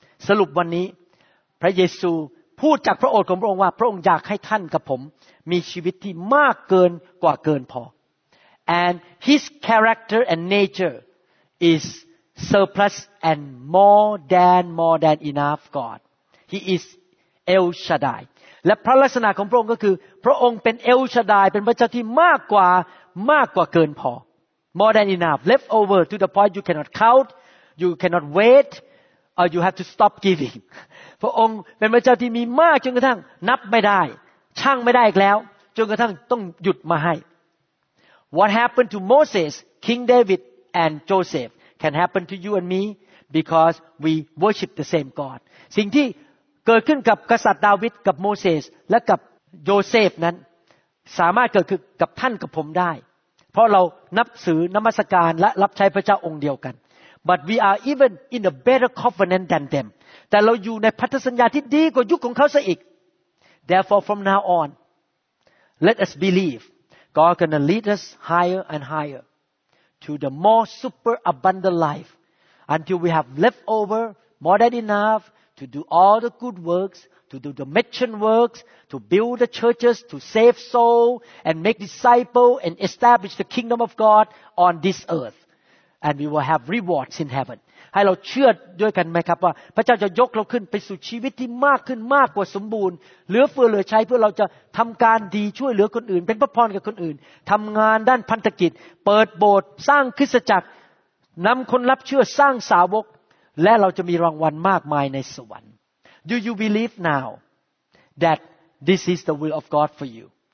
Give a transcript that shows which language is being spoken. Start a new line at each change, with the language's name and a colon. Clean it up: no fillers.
Thai: สรุปวันนี้พระเยซูพูดจากพระโอษฐ์ของพระองค์ว่าพระองค์อยากให้ท่านกับผมมีชีวิตที่มากเกินกว่าเกินพอ
English: And His character and nature is surplus and more than enough God. He is El Shaddai.
Thai: และพระลักษณะของพระองค์ก็คือพระองค์เป็น El Shaddai เป็นพระเจ้าที่มากกว่าเกินพอ
English: More than enough. Left over to the point you cannot count. You cannot wait, or you have to stop giving.
Thai: พระองค์เป็นพระเจ้าที่มีมากจนกระทั่งนับไม่ได้ชั่งไม่ได้อีกแล้วจนกระทั่งต้องหยุดมาให้
English: What happened to Moses, King David, and Joseph can happen to you and me because we worship the same God.
Thai: สิ่งที่เกิดขึ้นกับกษัตริย์ดาวิดกับโมเสสและกับโยเซฟนั้นสามารถเกิดขึ้นกับท่านกับผมได้เพราะเรานับถือนมัสการและรับใช้พระเจ้าองค์เดียวกัน
English: But we are even in a better covenant than them.
Thai: แต่เราอยู่ในพันธสัญญาที่ดีกว่ายุคของเขาซะอีก
English: Therefore, from now on, let us believe God gonna lead us higher and higher to the more super abundant life until we have left over more than enough to do all the good works, to do the mission works, to build the churches, to save souls and make disciples and establish the kingdom of God on this earth. And we will have rewards in heaven.
Thai: ให้เราเชื่อด้วยกันไหมครับว่าพระเจ้าจะยกเราขึ้นไปสู่ชีวิตที่มากขึ้นมากกว่าสมบูรณ์เหลือเฟือเหลือใช้เพื่อเราจะทำการดีช่วยเหลือคนอื่นเป็นพระพรกับคนอื่นทำงานด้านพันธกิจเปิดโบสถ์สร้างคริสตจักรนำคนรับเชื่อสร้างสาวกและเราจะมีรางวัลมากมายในสวรรค์
English: Do you believe now that this is the will of God for you?